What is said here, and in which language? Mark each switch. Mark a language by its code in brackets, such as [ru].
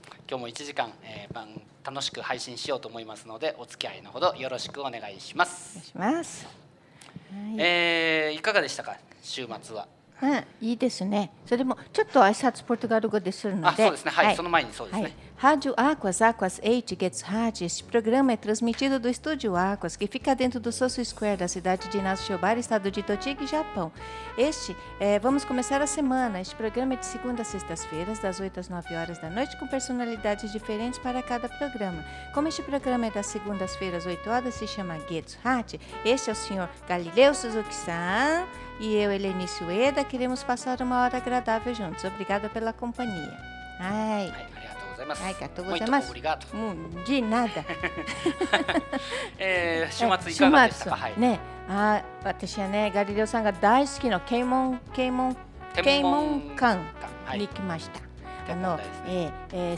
[ja] 今日も1時間、楽しく配信しようと思いますのでお付き合いのほどよろしくお願いします。お願いします、はい、いかがでしたか週末は。うん、いいですね。それもちょっと挨拶ポルトガル語でするので。あ、そうですね、はいはい、その前にそうですね、 [pt] はい、Rádio Aquas, Aquas 8, Gets Hard. Este programa é transmitido do Estúdio Aquas, que fica dentro do Soso Square da cidade de Nasu Shobara, estado de Tochigi, Japão. Este, vamos começar a semana. Este programa é de segunda a sexta-feira, das 8 às 9 horas da noite, com personalidades diferentes para cada programa. Como este programa é das segundas-feiras, 8 horas, se chama Gets Hard, este é o senhor Galileu Suzuki-san e eu, Helenice Ueda, queremos passar uma hora agradável juntos. Obrigada pela companhia. Ai. [ja] はい、ありがとうございます。もうジナダ。週末いかがでしたか。はい、ね、私はね、ガリレオさんが大好きの天文館に来ました。はい、